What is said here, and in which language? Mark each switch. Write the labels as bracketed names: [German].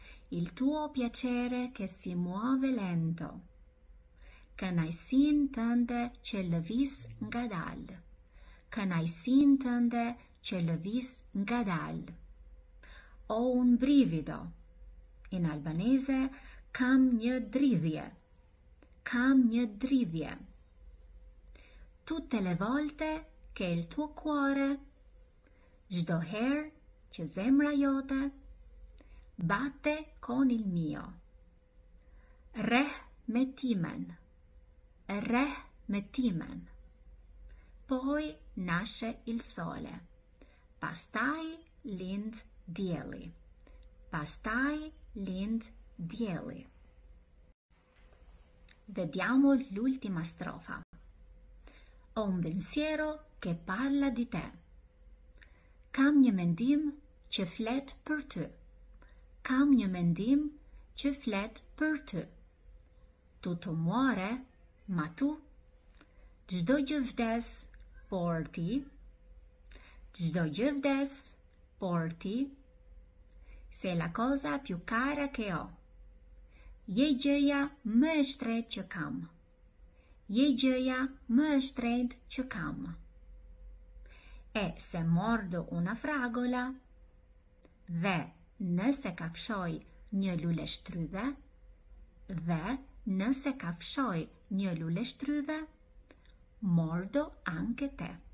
[Italian] Il tuo piacere che si muove lento. [Albanian] Kënaqësinë tënde që lëviz ngadalë. Kënaqësinë tënde që lëviz ngadalë. [Italian] Ho un brivido. In albanese [Albanian] kam një dridhje. Kam një dridhje. [Italian] Tutte le volte che il tuo cuore, [Albanian] çdo herë që zemra jote [Italian] batte con il mio. [Albanian] Rreh me timen. Rreh me timen. [Italian] Poi nasce il sole. [Albanian] Pastaj lind dielli. Pastaj lind dielli. [Italian] Vediamo l'ultima strofa. Ho un pensiero che parla di te. [Albanian] Kam një mendim që flet për ty. Kam një mendim që flet për ty. [Italian] Tu të muore, ma tu. [Albanian] Çdo gjë vdes, por ti. Çdo gjë vdes, por ti. [Italian] Sei la cosa più cara che ho. [Albanian] Je gjëja më e shtret që kam. Je gjëja më e shtret që kam. [Italian] E se mordo una fragola, [Albanian] dhe nëse kafshoj një lule shtrydhe, dhe nëse kafshoj një lule shtrydhe, [Italian] mordo anche te.